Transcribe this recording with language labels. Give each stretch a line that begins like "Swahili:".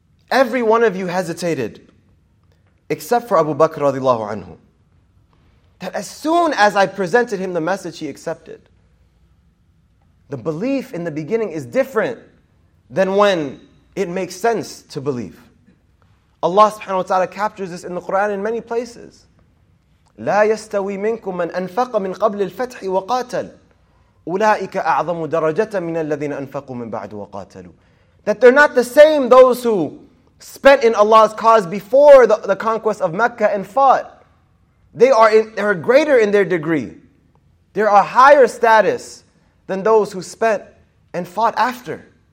English: Every one of you hesitated, except for Abu Bakr radiallahu anhu. That as soon as I presented him the message, he accepted. The belief in the beginning is different than when it makes sense to believe. Allah subhanahu wa ta'ala captures this in the Quran in many places.
Arabic: لا يستوي منكم من أنفق من قبل الفتح وقاتل أولئك أعظم درجة من الذين أنفقوا من بعد وقاتلوا.
English: That they're not the same, those who spent in Allah's cause before the conquest of Mecca and fought. They are greater in their degree. They are higher status than those who spent and fought after.